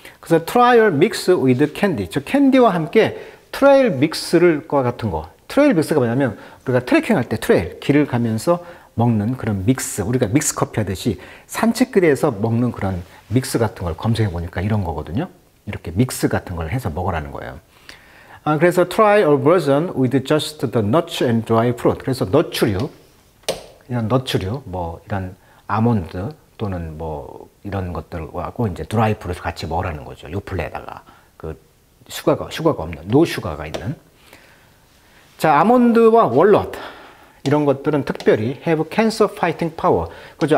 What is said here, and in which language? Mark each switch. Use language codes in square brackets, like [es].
[ko] 그래서 [en] trial mix with candy, [ko] 저 캔디와 함께 trail mix를 과 같은 거, trail mix가 뭐냐면 우리가 트레킹 할 때 트레일, 길을 가면서 먹는 그런 믹스, 우리가 믹스 커피 하듯이 산책길에서 먹는 그런 믹스 같은 걸 검색해 보니까 이런 거거든요. 이렇게 믹스 같은 걸 해서 먹으라는 거예요. [en] 그래서 try a version with just the nuts and dry fruit. [ko] 그래서 너츠류, 이런 너츠류, 뭐 이런 아몬드 또는 뭐 이런 것들하고 이제 드라이 프루트 같이 먹으라는 거죠. 요플레에다가 그 슈가가 없는, 노 슈가가 있는. 자, 아몬드와 월넛, 이런 것들은 특별히 [en] have cancer fighting power. [ko] 그죠?